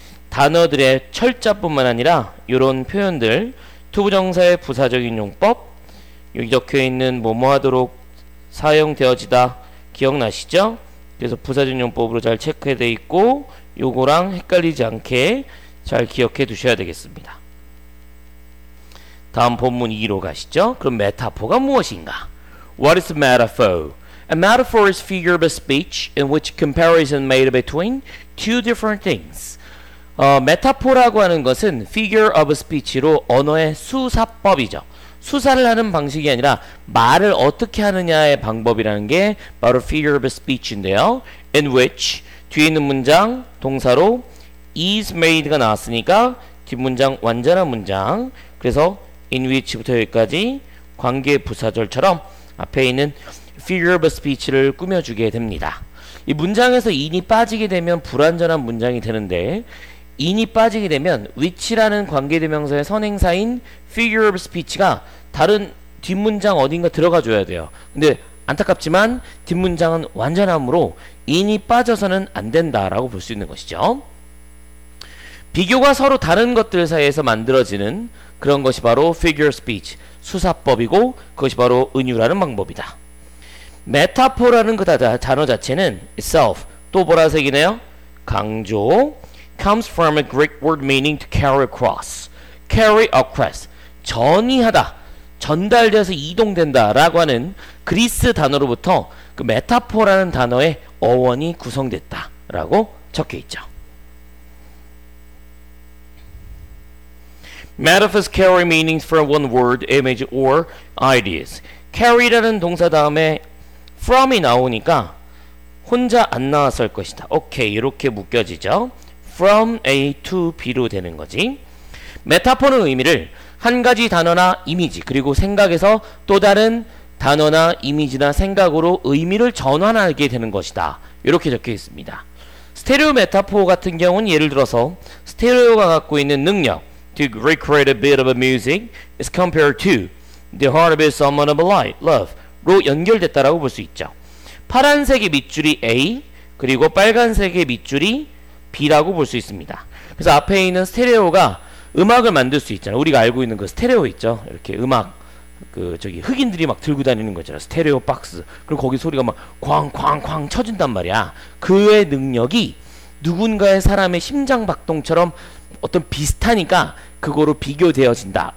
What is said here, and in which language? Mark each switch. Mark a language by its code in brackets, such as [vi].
[ko] 단어들의 철자뿐만 아니라 이런 표현들, 투부정사의 부사적인 용법, 여기 적혀있는 뭐뭐하도록 사용되어지다 기억나시죠? 그래서 부사적인 용법으로 잘 체크되어 있고 요거랑 헷갈리지 않게 잘 기억해 두셔야 되겠습니다. 다음 본문 2로 가시죠. 그럼 메타포가 무엇인가? [en] What is a metaphor? A metaphor is figure of a speech in which comparison made between two different things. [ko] 메타포라고 하는 것은 figure of a speech로 언어의 수사법이죠. 수사를 하는 방식이 아니라 말을 어떻게 하느냐의 방법이라는 게 바로 figure of a speech인데요. In which 뒤에 있는 문장 동사로 is made가 나왔으니까 뒷문장 완전한 문장 그래서 in which부터 여기까지 관계 부사절처럼 앞에 있는 figure of a speech를 꾸며주게 됩니다. 이 문장에서 in이 빠지게 되면 불완전한 문장이 되는데 in이 빠지게 되면 which라는 관계대명사의 선행사인 figure of speech가 다른 뒷문장 어딘가 들어가줘야 돼요. 근데 안타깝지만 뒷문장은 완전함으로 in이 빠져서는 안 된다라고 볼 수 있는 것이죠. 비교가 서로 다른 것들 사이에서 만들어지는 그런 것이 바로 figure speech, 수사법이고 그것이 바로 은유라는 방법이다. 메타포라는 그 단어 자체는 itself, 또 보라색이네요. 강조 [en] comes from a Greek word meaning to carry across. [ko] carry across. 전이하다. 전달돼서 이동된다. 라고 하는 그리스 단어로부터 그 메타포라는 단어의 어원이 구성됐다. 라고 적혀 있죠. [en] Metaphors carry meanings from one word, image, or ideas. [ko] carry라는 동사 다음에 from이 나오니까 혼자 안 나왔을 것이다. 오케이. 이렇게 묶여지죠. From A to B로 되는 거지. 메타포는 의미를 한 가지 단어나 이미지 그리고 생각에서 또 다른 단어나 이미지나 생각으로 의미를 전환하게 되는 것이다. 이렇게 적혀 있습니다. 스테레오 메타포 같은 경우는 예를 들어서 스테레오가 갖고 있는 능력 [en] To recreate a bit of a music is compared to the heart of someone of a light, love로 [ko] 연결됐다라고 볼 수 있죠. 파란색의 밑줄이 A 그리고 빨간색의 밑줄이 B라고 볼 수 있습니다. 그래서 앞에 있는 스테레오가 음악을 만들 수 있잖아요. 우리가 알고 있는 그 스테레오 있죠. 이렇게 음악 그 저기 흑인들이 막 들고 다니는 거잖아요. 스테레오 박스. 그리고 거기 소리가 막 쾅쾅쾅 쳐진단 말이야. 그의 능력이 누군가의 사람의 심장 박동처럼 어떤 비슷하니까 그거로 비교되어진다.